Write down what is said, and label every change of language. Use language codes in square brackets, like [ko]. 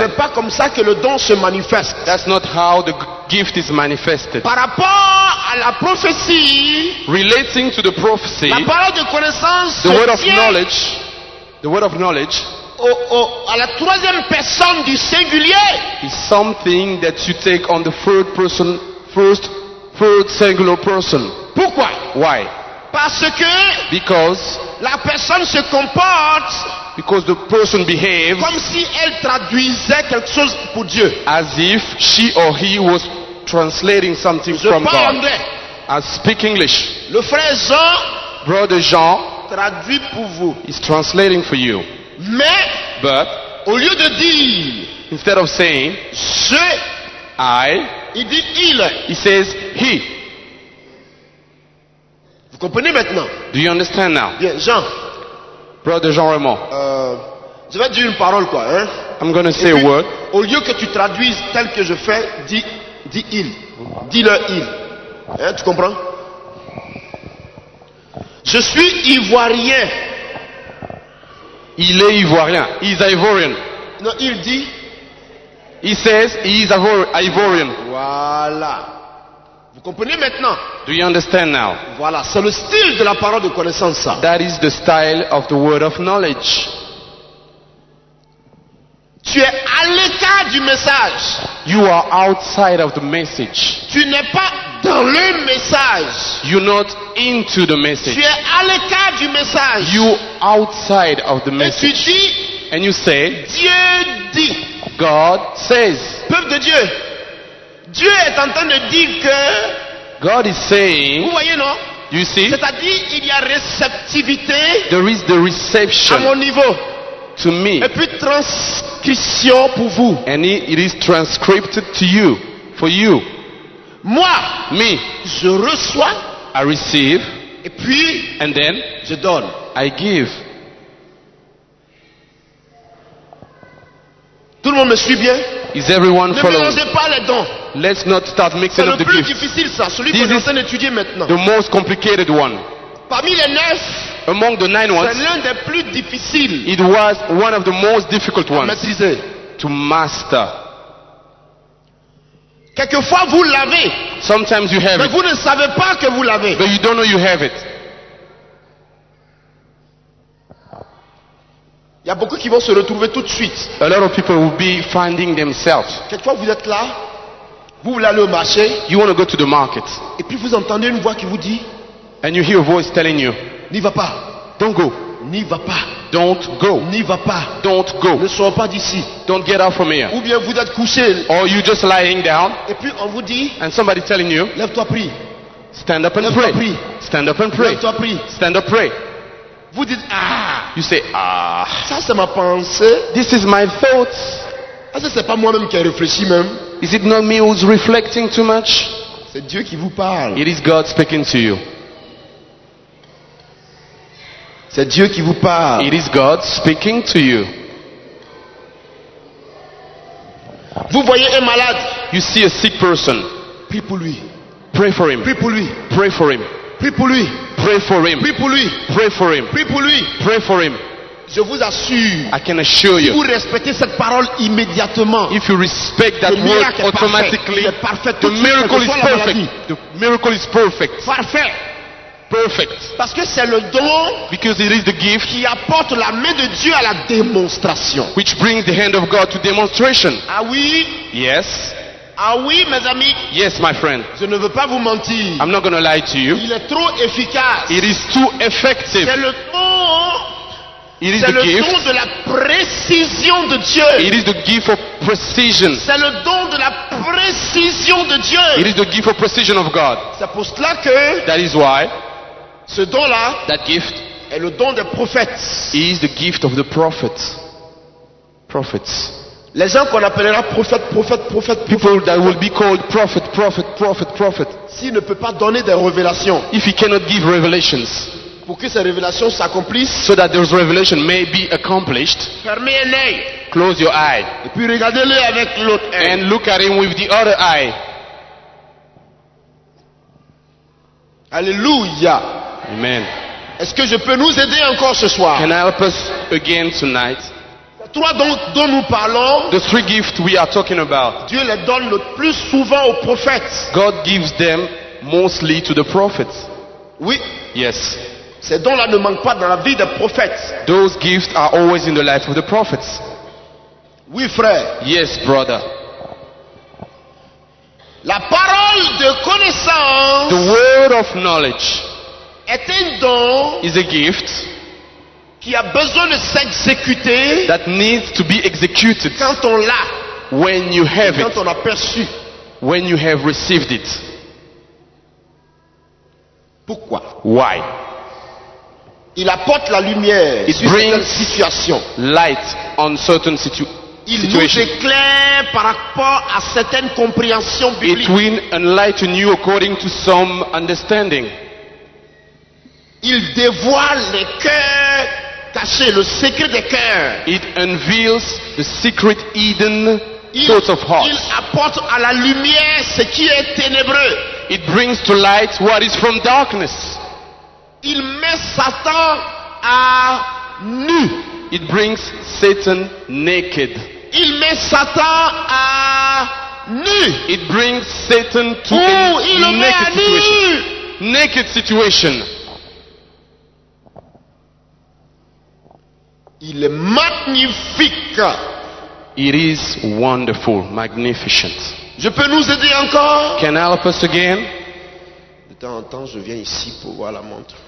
[fr] Ce n'est pas comme ça que le don se manifeste. [en] That's not how the gift is manifested. [fr] Par rapport à la prophétie. [en] Relating to the prophecy. [fr] La parole de connaissance. [en] The word of knowledge. The word of knowledge. [fr] À la troisième personne du singulier. [en] Is something that you take on the third person, third singular person. [fr] Pourquoi? [en] Why? [fr] Parce que. [en] Because. [fr] La personne se comporte. [en] Because the person behaves. [fr] Comme si elle traduisait quelque chose pour Dieu. [en] As if she or he was translating something [fr] je [en] from God. [fr] Je parle anglais. [en] I speak English. [fr] Le frère Jean. [en] Brother Jean. [fr] Traduit pour vous. [en] Is translating for you. [fr] Mais. [en] But. [fr] Au lieu de dire. [en] Instead of saying. [fr] Je. [en] I. [fr] Il dit il. [en] He says he. [fr] Vous comprenez maintenant? [en] Do you understand now? [fr] Bien, Jean. [en] Brother Jean Raymond. [fr] Je vais dire une parole quoi, hein? [en] I'm going to say [fr] puis, [en] a word. [fr] Au lieu que tu traduises tel que je fais, dis il. Dis-le il. Hein, tu comprends? Je suis ivoirien. Il est ivoirien. [en] He's ivorian. [fr] Non, il dit. [en] He says he is ivorian. [fr] Voilà. Vous comprenez maintenant? [en] Do you understand now? [fr] Voilà, c'est le style de la parole de connaissance. Ça. [en] That is the style of the word of knowledge. [fr] Tu es à l'écart du message. [en] You are outside of the message. [fr] Tu n'es pas dans le message. [en] You're not into the message. [fr] Tu es à l'écart du message. [en] You outside of the message. [fr] Et tu dis, [en] and you say, [fr] Dieu dit. [en] God says. [fr] Peuple de Dieu. Dieu est en train de dire que. [en] God is saying. [fr] Vous voyez non? [en] You see? [fr] C'est-à-dire il y a réceptivité. [en] There is the reception. [fr] À mon niveau. [en] To me. [fr] Et puis transcription pour vous. [en] And it is transcribed to you, for you. [fr] Moi. [en] Me. [fr] Je reçois. [en] I receive. [fr] Et puis. [en] And then. [fr] Je donne. [en] I give. [fr] Tout le monde me suit bien? [en] Is everyone following? [fr] Ne mélangez pas les dons. [en] Let's not start mixing [fr] c'est [en] up the gifts. [fr] C'est le plus difficile ça, celui qu'on est en train d'étudier maintenant. [en] The most complicated one. [fr] Parmi les neuf, [en] among the nine ones, [fr] c'est l'un des plus difficiles. [en] It was one of the most difficult ones. [fr] À maîtriser. [en] To master. [fr] Quelquefois vous l'avez. [en] Sometimes you have [fr] mais [en] it. [fr] Mais vous ne savez pas que vous l'avez. [en] But you don't know you have it. [fr] Il y a beaucoup qui vont se retrouver tout de suite. [en] A lot of people will be finding themselves. [fr] Quelquefois vous êtes là, vous voulez aller au marché. [en] You want to go to the market. [fr] Et puis vous entendez une voix qui vous dit. [en] And you hear a voice telling you. [fr] N'y va pas. [en] Don't go. [fr] N'y va pas. [en] Don't go. [fr] N'y va pas. [en] Don't go. [fr] Ne sors pas d'ici. [en] Don't get out from here. [fr] Ou bien vous êtes couché. [en] Or you just lying down. [fr] Et puis on vous dit. [en] And somebody telling you. [fr] Lève-toi prie. [en] Stand up and [fr] lève-toi, [en] pray. [fr] Prie. [en] Stand up and pray. [fr] Lève-toi prie. [en] Stand up pray. [fr] Vous dites ah. [en] You say ah. [fr] Ça c'est ma pensée. [en] This is my thoughts. [fr] Ah, ça c'est pas moi-même qui ai réfléchi même. [en] Is it not me who's reflecting too much? [fr] C'est Dieu qui vous parle. [en] It is God speaking to you. [fr] C'est Dieu qui vous parle. [en] It is God speaking to you. [fr] Vous voyez un malade. [en] You see a sick person. [fr] Prie pour lui. [en] Pray for him. [fr] Prie pour lui. [en] Pray for him. [fr] Prie pour lui. [en] Pray for him. [fr] Prie pour lui. [en] Pray for him. [fr] Prie pour lui. [en] Pray for him. [fr] Je vous assure. [en] I can assure you. [fr] Si vous respectez cette parole immédiatement. [en] If you respect that word automatically. [fr] Est parfait, [en] the miracle is perfect. The miracle is perfect. [fr] Parfait. [en] Perfect. [fr] Parce que c'est le don. [en] Because it is the gift. [fr] Qui apporte la main de Dieu à la démonstration. [en] Which brings the hand of God to demonstration. [fr] Ah oui. [en] Yes. [fr] Ah oui, mes amis. [en] Yes, my friend. [fr] Je ne veux pas vous mentir. [en] I'm not going to lie to you. [fr] Il est trop efficace. [en] It is too effective. [fr] C'est le don. [en] It is [fr] c'est [en] the [fr] le [en] gift. [fr] Don de la précision de Dieu. [en] It is the gift of precision. [fr] C'est le don de la précision de Dieu. [en] It is the gift of precision of God. [fr] C'est pour cela que. [en] That is why. [fr] Ce don là. [en] That gift. [fr] Est le don des prophètes. [en] It is the gift of the prophets. Prophets. [fr] Les gens qu'on appellera prophète. [en] People that will be called prophet. [fr] S'il ne peut pas donner des révélations. [en] If he cannot give revelations. [fr] Pour que ces révélations s'accomplissent. [en] So that those revelations may be accomplished. [fr] Fermez un œil. [en] Close your eye. [fr] Et puis regardez-le avec l'autre œil. [en] And look at him with the other eye. Alléluia. Amen. [fr] Est-ce que je peux nous aider encore ce soir? [en] Can I help us again tonight? [fr] Trois dons dont nous parlons. [en] The three gifts we are talking about. [fr] Dieu les donne le plus souvent aux prophètes. [en] God gives them mostly to the prophets. [fr] Oui. [en] Yes. [fr] Ces dons-là ne manquent pas dans la vie des prophètes. [en] Those gifts are always in the life of the prophets. [fr] Oui, frère. [en] Yes, brother. [fr] La parole de connaissance. [en] The word of knowledge. [fr] Est un don. [en] Is a gift. [fr] Qui a besoin de s'exécuter. [en] That needs to be executed. [fr] Quand on l'a. [en] When you have [fr] quand [en] it. [fr] Quand on a perçu. [en] When you have received it. [fr] Pourquoi? [en] Why? [fr] Il apporte la lumière [en] it [fr] sur certaines situations. [en] Light on certain [fr] il nous éclaire par rapport à certaines compréhensions bibliques. [en] It will enlighten you according to some understanding. [fr] Il dévoile les cœurs cachés, le secret des cœurs. [en] It unveils the secret hidden thoughts of hearts. [fr] Il apporte à la lumière ce qui est ténébreux. [en] It brings to light what is from darkness. [fr] Il met Satan à nu. [en] It brings Satan naked. [fr] Il met Satan à nu. [en] It brings Satan to a naked situation. [fr] Il est magnifique. [en] It is wonderful, magnificent. [fr] Je peux nous aider encore? [en] Can I help us again? [fr] De temps en temps, je viens ici pour voir la montre.